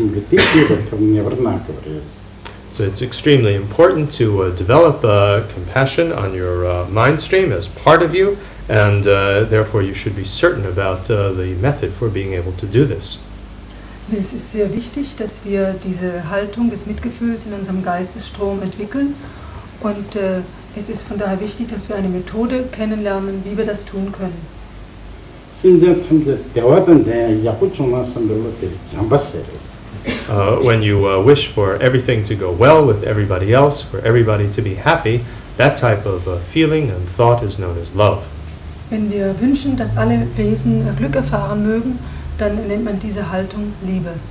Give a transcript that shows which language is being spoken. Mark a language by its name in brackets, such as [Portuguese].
[English] So it's extremely important to develop compassion on your mind stream as part of you, and therefore you should be certain about the method for being able to do this. [German] Es ist sehr wichtig, dass wir diese Haltung des Mitgefühls in unserem Geistesstrom entwickeln. Und es ist von daher wichtig, dass wir eine Methode kennenlernen, wie wir das tun können. [English] When you wish for everything to go well with everybody else, for everybody to be happy, that type of feeling and thought is known as love. [German] Wenn wir wünschen, dass alle Wesen Glück erfahren mögen, dann nennt man diese Haltung Liebe.